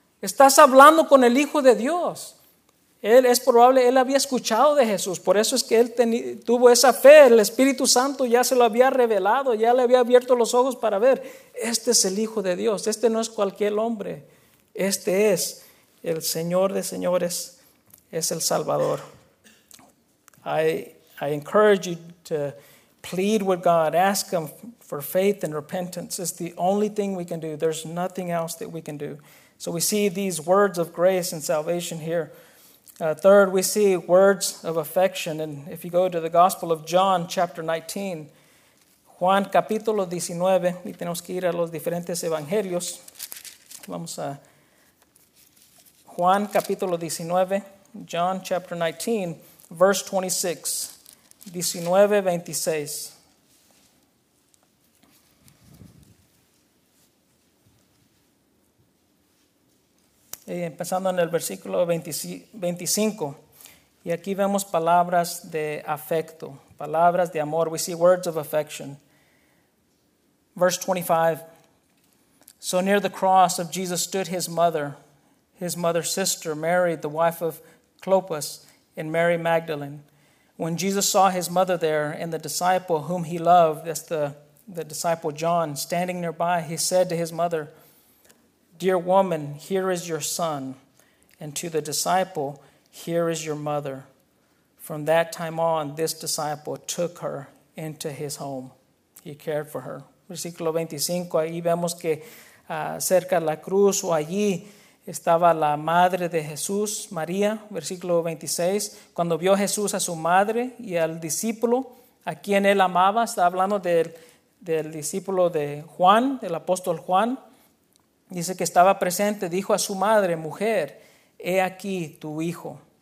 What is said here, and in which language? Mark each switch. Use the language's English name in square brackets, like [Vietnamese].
[Spanish] Estás hablando con el Hijo de Dios. Él es probable, él había escuchado de Jesús. Por eso es que él tuvo esa fe. El Espíritu Santo ya se lo había revelado. Ya le había abierto los ojos para ver. Este es el Hijo de Dios. Este no es cualquier hombre. Este es el Señor de señores. Es el Salvador. [English] I encourage you to plead with God. Ask him for faith and repentance. It's the only thing we can do. There's nothing else that we can do. So we see these words of grace and salvation here. Third, we see words of affection. And if you go to the Gospel of John, chapter 19, [Spanish] Juan, capítulo 19, y tenemos que ir a los diferentes evangelios. Vamos a Juan, capítulo 19, [English] John, chapter 19, verse 26. [Spanish] 19:26. Empezando en el versículo 25, y aquí vemos palabras de afecto, palabras de amor. [English] We see words of affection. Verse 25, so near the cross of Jesus stood his mother's sister, Mary, the wife of Clopas, and Mary Magdalene. When Jesus saw his mother there and the disciple whom he loved, that's the disciple John, standing nearby, he said to his mother, dear woman, here is your son. And to the disciple, here is your mother. From that time on, this disciple took her into his home. He cared for her. [Spanish] versículo 25, ahí vemos que cerca de la cruz o allí estaba la madre de Jesús, María. Versículo 26, cuando vio Jesús a su madre y al discípulo a quien él amaba, está hablando del discípulo de Juan, del apóstol Juan, dice que estaba presente, dijo a su madre: mujer, he aquí tu hijo.